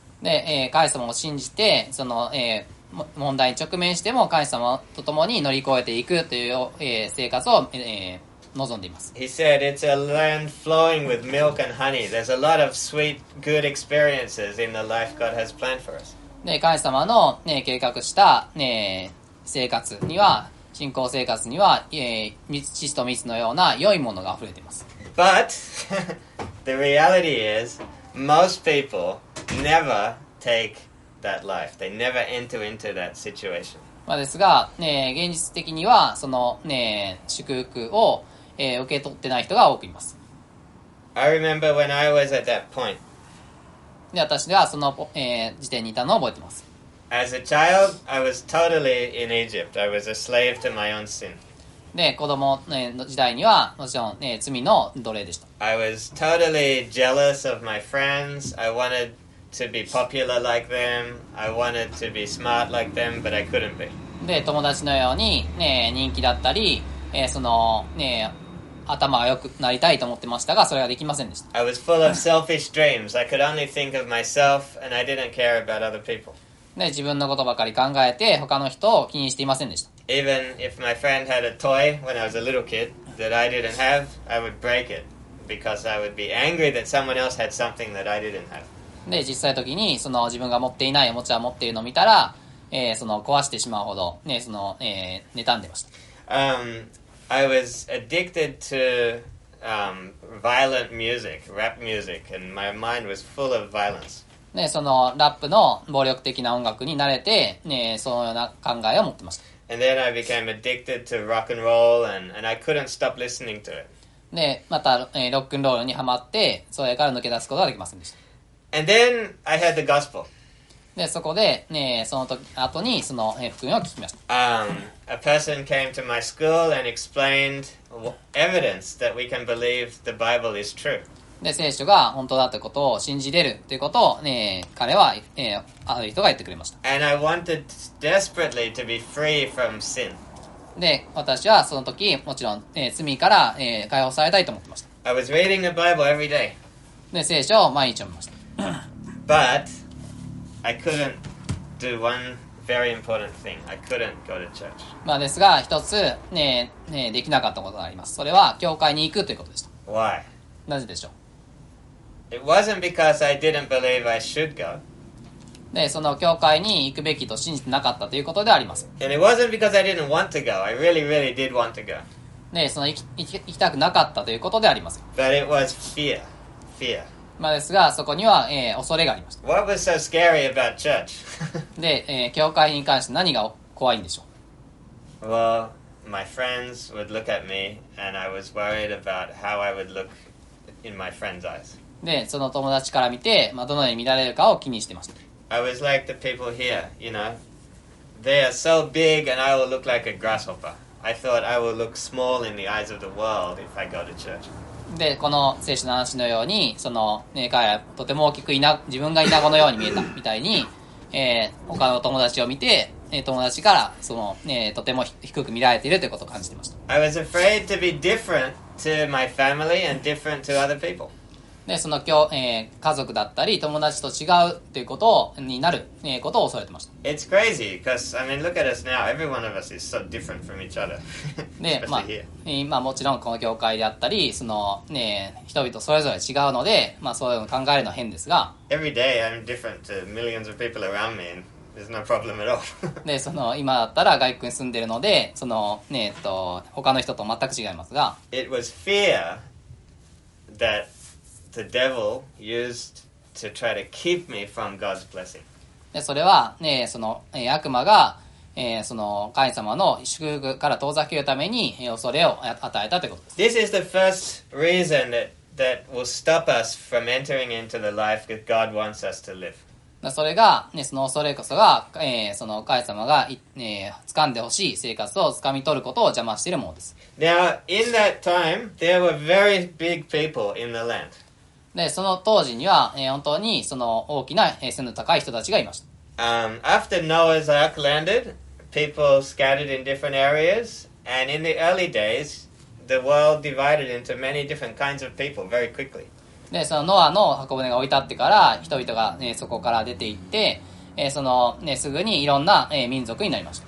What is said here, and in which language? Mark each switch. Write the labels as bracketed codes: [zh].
[ja] で、神様を信じて、その、問題に直面しても神様と共に乗り越えていくという、生活を、望んでいます。 [en] He said it's a land flowing with milk and honey. There's a lot of sweet, good experiences in the life God has planned for us. [ja] で、神様の、ね、計画した、ね、生活には信仰生活には、知識と蜜のような良いものが溢れています。 [en] But the reality is most people never take that life. They never enter into that situation. [ja] まあですが、ね、現実的にはその、ね、祝福を、受け取ってない人が多くいます。 [en] I remember when I was at that point. [ja] で私ではその、時点にいたのを覚えています。 [en] As a child, I was totally in Egypt. I was a slave to my own sin. [ja] で、子供の時代にはもちろん、ね、罪の奴隷でした。 [en] I was totally jealous of my friends. I wanted to be popular like them. I wanted to be smart like them, but I couldn't be. [ja] で、友達のように、ね、人気だったり、その、ね、頭が良くなりたいと思ってましたが、それができませんでした。 [en] I was full of selfish dreams. I could only think of myself, and I didn't care about other people. [ja] で自分のことばかり考えて他の人を気にしていませんでした。 [en] Even if my friend had a toy when I was a little kid that I didn't have, I would break it because I would be angry that someone else had something that I didn't have. [ja] で実際の時にその自分が持っていないおもちゃを持っているのを見たら、その壊してしまうほどねその、妬んでました。 [en] I was addicted to violent music, rap music, and my mind was full of violence. [ja] ね、そのラップの暴力的な音楽に慣れて、ね、そのような考えを持ってました。 [en] And then I became addicted to rock and roll and I couldn't stop listening to it. [ja] で、また、ロックンロールにハマって、それから抜け出すことができませんでした。 [en] And then I heard the gospel. [ja] で、そこで、ね、その時、後にその福音を聞きました。 [en] A person came to my school and explained evidence that we can believe the Bible is true. [ja] で聖書が本当だということを信じれるということを、ね、彼は、ある人が言ってくれました。 [en] And I wanted desperately to be free from sin. [ja] で私はその時もちろん、罪から、解放されたいと思ってました。 [en] I was reading the Bible every day. [ja] で聖書を毎日読みました。 [en] But I couldn't do one very important thing. I couldn't go to church. [ja] まあですが一つ、できなかったことがあります。それは教会に行くということでした。 [en] Why? [ja] なぜでしょう。 [en] It wasn't because I didn't believe I should go. [ja] で、その教会に行くべきと信じてなかったということではありません。 [en] And it wasn't because I didn't want to go. I really, really did want to go. [ja] で、その行きたくなかったということではありません。 [en] But it was fear. Fear. [ja] まあですが、そこには、恐れがありました。 [en] What was so scary about church? [ja] で、教会に関して何が怖いんでしょう。 [en] Well, my friends would look at me and I was worried about how I would look in my friends' eyes. [ja] でその友達から見て、まあ、どのように見られるかを気にしてました。 [en] I was like the people here, you know. They are so big and I will look like a grasshopper. I thought I will look small in the eyes of the world if I go to church. [ja] で、この聖書の話のように、その、ね、彼はとても大きくいな、自分がイナゴのように見えたみたいに、他の友達を見て、友達からその、ね、とても低く見られているということを感じてました。 [en] I was afraid to be different to my family and different to other people. [ja] でその今日、家族だったり友達と違うということになる、ことを恐れてました。 [en] It's crazy because I mean look at us now. Every one of us is so different from each other. [ja] で、まあ、まあもちろんこの教会であったりその、ね、人々それぞれ違うので、まあそういうの考えるのは変ですが。 [en] Every day I'm different to millions of people around me. And there's no problem at all. [ja] でその今だったら外国に住んでるのでそのね他の人と全く違いますが。 [en] It was fear that. The devil used to try to keep me from God's blessing. [ja] で、それはね、その悪魔が、その神様の祝福から遠ざけるために恐れを与えたということです。 [en] This is the first reason that will stop us from entering into the life that God wants us to live. [ja] で、それがね、その恐れこそが、その神様が、掴んでほしい生活を掴み取ることを邪魔しているものです。 [en] Now, in that time, there were very big people in the land. [ja] でその当時には、本当にその大きな背の高い人たちがいました。 [en] After Noah's Ark landed, people scattered in different areas, and in the early days, the world divided into many different kinds of people very quickly. [ja] でそのノアの箱舟が置いてあってから人々が、そこから出ていって、その、すぐにいろんな、民族になりました。